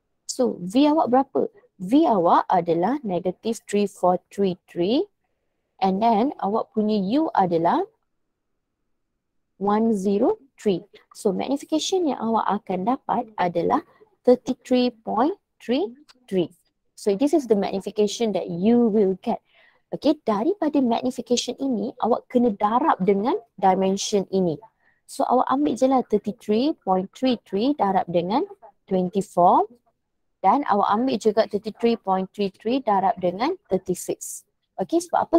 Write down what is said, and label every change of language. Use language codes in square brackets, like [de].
[ms] So V awak berapa? V awak adalah negative 3433 and then awak punya U adalah 103. So magnification yang awak akan dapat adalah 33.33. [en] So, this is the magnification that you will get. [ms] Okay, daripada magnification ini, awak kena darab dengan dimension ini. So, awak ambil je lah 33.33 darab dengan 24. Dan awak ambil juga 33.33 darab dengan 36. Okay, sebab apa?